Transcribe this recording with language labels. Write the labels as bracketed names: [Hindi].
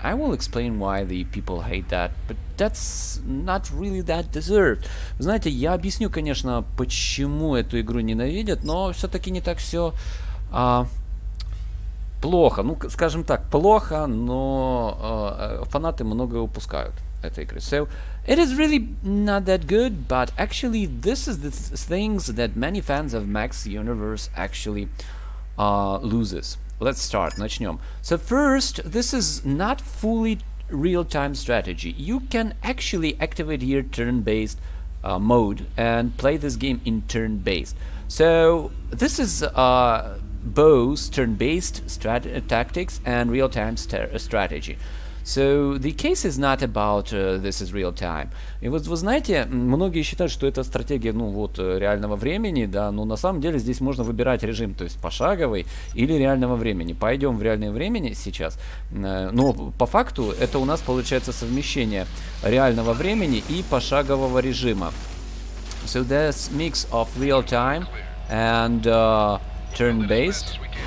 [English] I will explain why the people hate that. But that's not really that deserved. [Russian] Знаете, я объясню, конечно, почему эту игру ненавидят. Но все-таки не так все плохо. Ну, скажем так, плохо, но фанаты многое упускают. [English] So, it is really not that good, but actually this is the things that many fans of Max Universe actually loses. Let's start, [Russian] начнем. [English] So first, this is not fully real-time strategy. You can actually activate here turn-based mode and play this game in turn-based. So, this is both turn-based tactics and real-time strategy. So, the case is not about this is real time. [Russian] И вот, вы знаете, многие считают, что это стратегия, ну, вот, реального времени, да, но на самом деле здесь можно выбирать режим, то есть пошаговый или реального времени. Пойдем в реальное время сейчас, но по факту это у нас получается совмещение реального времени и пошагового режима. [English] So, there's mix of real time and turn-based.